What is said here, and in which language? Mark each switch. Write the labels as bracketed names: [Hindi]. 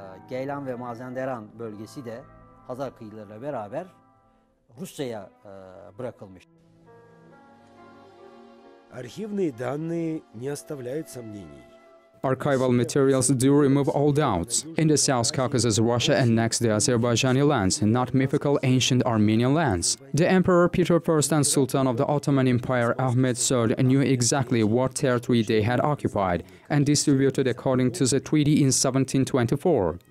[Turkish] Geylan ve Mazenderan bölgesi de Hazar kıyılarıyla beraber Rusya'ya bırakılmış. [Russian] Архивные данные не оставляют сомнений. [English] Archival materials do remove all doubts. In the South Caucasus, Russia annexed the Azerbaijani lands, not mythical ancient Armenian lands. The Emperor Peter I and Sultan of the Ottoman Empire Ahmed III knew exactly what territory they had occupied and distributed according to the treaty in 1724.